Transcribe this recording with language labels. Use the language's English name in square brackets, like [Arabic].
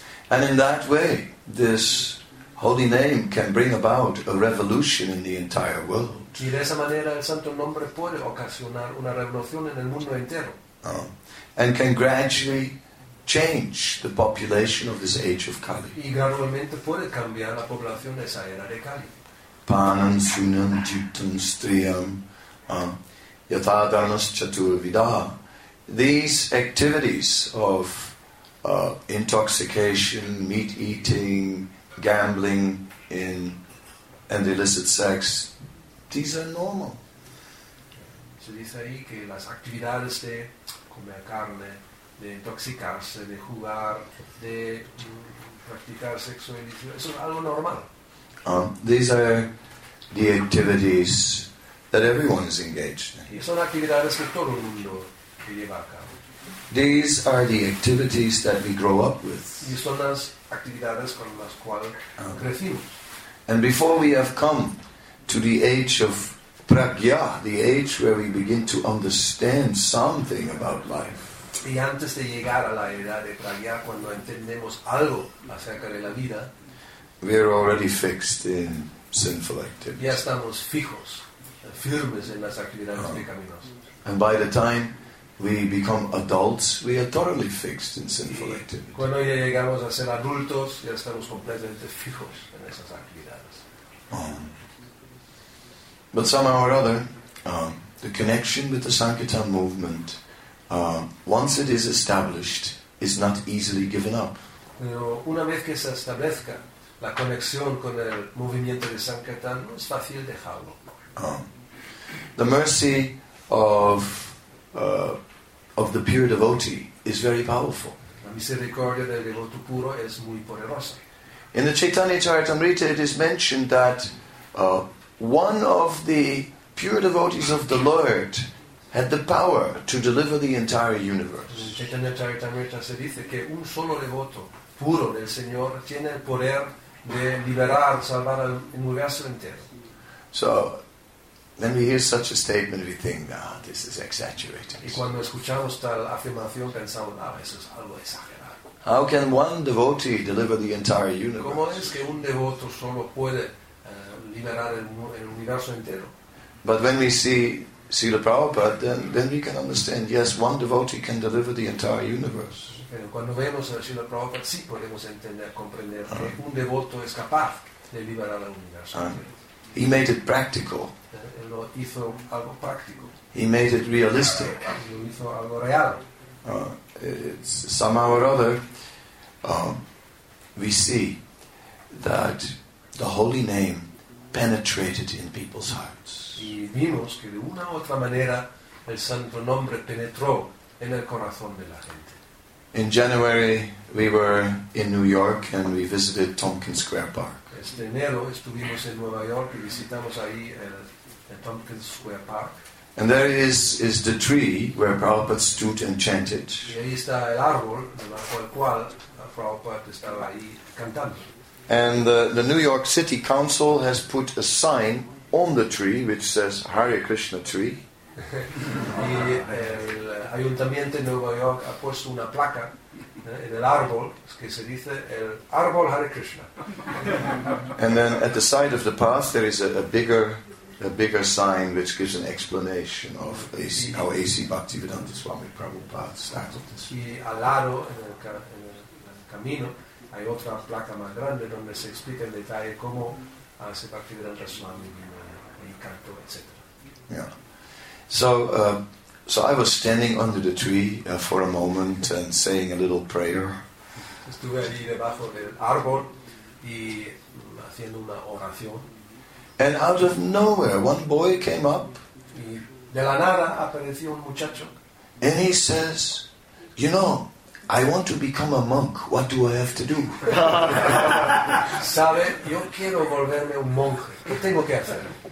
[English] And in that way, this holy name can bring about a revolution in the entire world. [Spanish] Y de esa manera el Santo Nombre puede ocasionar una revolución en el mundo entero. [English] And can gradually change the population of this age of Kali. [Spanish] Y gradualmente puede cambiar la población de esa era de Kali. [Sanskrit] Panam, sunam, jutam, striam, yatha dharmas chaturvidah. [English] These activities of intoxication, meat eating, gambling, and illicit sex, these are normal. [Spanish] Se dice ahí que las actividades de comer carne, de intoxicarse, de jugar, de practicar sexo ilícito, eso es algo normal. [English] These are the activities that everyone is engaged in. [Spanish] Y son actividades que todo el mundo lleva a cabo. [English] These are the activities that we grow up with. [Spanish] Y son las actividades con las cuales crecimos. [English] And before we have come to the age of pragya, the age where we begin to understand something about life. [Spanish] Y antes de llegar a la edad de pragya, cuando entendemos algo acerca de la vida, [English] we are already fixed in sinful activities. [Spanish] Ya estamos fijos, firmes en las actividades pecaminosas. [English] And by the time we become adults, we are totally fixed in sinful activities. [Spanish] Cuando ya llegamos a ser adultos, ya estamos completamente fijos en esas actividades. [English] But somehow or other, the connection with the Sankirtan movement, once it is established, is not easily given up. [Spanish] Pero una vez que se establezca la conexión con el movimiento de Sankirtan, no es fácil dejarlo. [English] The mercy of of the pure devotee is very powerful. [Spanish] La misericordia del devoto puro es muy poderosa. [English] In the Chaitanya Charitamrita it is mentioned that one of the pure devotees of the Lord had the power to deliver the entire universe. [Spanish] In Chaitanya Charitamrita se dice que un solo devoto puro del Señor tiene el poder de liberar, salvar el universo entero. [English] So, when we hear such a statement, we think, "Ah, this is exaggerated." [Spanish] Y cuando escuchamos tal afirmación, pensamos, "Ah, eso es algo exagerado." [English] How can one devotee deliver the entire universe? [Spanish] ¿Cómo es que un devoto solo puede liberar el universo entero? [English] But when we see Srila Prabhupada, then we can understand, yes, one devotee can deliver the entire universe. [Spanish] Pero cuando vemos a Srila Prabhupada, sí podemos entender, comprender que un devoto es capaz de liberar el universo. [English] He made it practical. [Spanish] Lo hizo algo práctico. [English] He made it realistic. [Spanish] Lo hizo algo real. [English] It's somehow or other, we see that the holy name penetrated in people's hearts. [Spanish] Y vimos que de una u otra manera el santo nombre penetró en el corazón de la gente. [English] In January, we were in New York and we visited Tompkins Square Park. [Spanish] Este enero estuvimos en Nueva York y visitamos ahí el Tompkins Square Park. [English] And there is the tree where Prabhupada stood and chanted. [Spanish] Y ahí está el árbol debajo del cual Prabhupada estaba ahí cantando. [English] And the New York City Council has put a sign on the tree which says Hare Krishna tree. [Spanish] Y el ayuntamiento de Nueva York ha puesto una placa en el árbol, que se dice el árbol Hare Krishna. [English] And then at the side of the path there is a bigger sign which gives an explanation of how A.C. Bhaktivedanta Swami Prabhupada started this. [Spanish] Y al lado, en el camino, hay otra placa más grande donde se explica en detalle cómo hace Bhaktivedanta Swami el canto, etc. [English] Yeah. So I was standing under the tree for a moment and saying a little prayer. [Spanish] Estuve allí debajo del árbol y haciendo una oración. [English] And out of nowhere, one boy came up. [Spanish] Y de la nada apareció un muchacho. [English] And he says, "You know, I want to become a monk. What do I have to do?" [Spanish] ¿Sabe? Yo quiero volverme un monje. ¿Qué tengo que hacer?